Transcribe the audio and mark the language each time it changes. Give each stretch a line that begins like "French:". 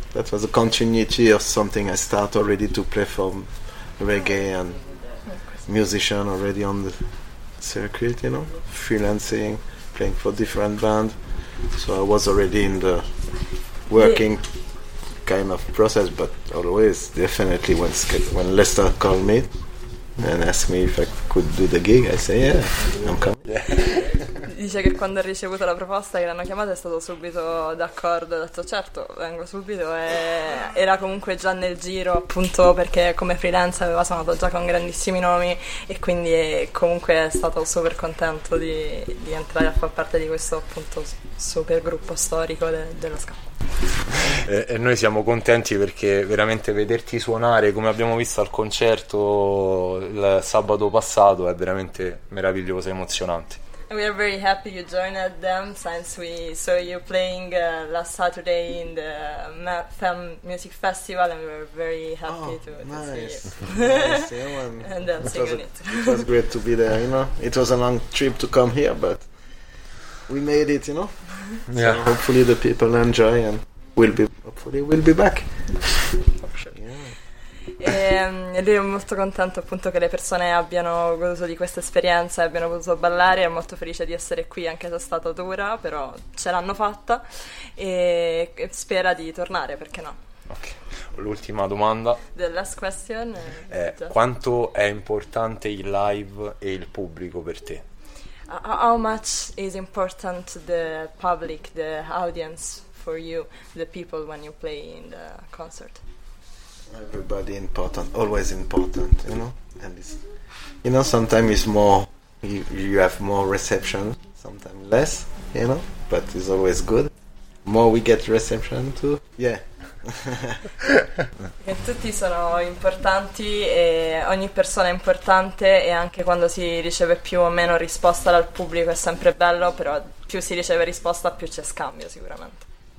English: That was a continuity of something I started already to play for reggae and musician already on the circuit, you know, freelancing, playing for different band. So I was already in the working kind of process, but always definitely when Lester called me and asked me if I could do the gig, I say yeah, I'm coming. Yeah.
Italian: Dice che quando ha ricevuto la proposta che l'hanno chiamata è stato subito d'accordo, ha detto certo, vengo subito, e era comunque già nel giro, appunto perché come freelance aveva suonato già con grandissimi nomi e quindi è comunque è stato super contento di entrare a far parte di questo appunto super gruppo storico dello ska. E noi siamo contenti perché veramente vederti suonare, come abbiamo visto al concerto il sabato passato, è veramente meraviglioso, emozionante.
English: We are very happy you joined them since we saw you playing last Saturday in the FEM Music Festival and we were very happy to see you. Nice. And then it was great to be there, you know. It was a long trip to come here, but we made it, you know. Yeah. So hopefully the people enjoy and we'll be back.
Italian: E lui è molto contento appunto che le persone abbiano goduto di questa esperienza e abbiano potuto ballare, è molto felice di essere qui anche se è stata dura, però ce l'hanno fatta e spera di tornare, perché no? Ok, l'ultima domanda.
English: The last question.
Italian: Quanto è importante il live e il pubblico per te?
English: How much is important the public, the audience for you, the people when you play in the concert? Everybody important, always important, you know. And it's, you know, sometimes it's more, you have more reception, sometimes less, you know, but it's always good. More we get reception too, yeah.
Italian: E tutti sono importanti e ogni persona è importante, e anche quando si riceve più o meno risposta dal pubblico è sempre bello, però più si riceve risposta più c'è scambio sicuramente.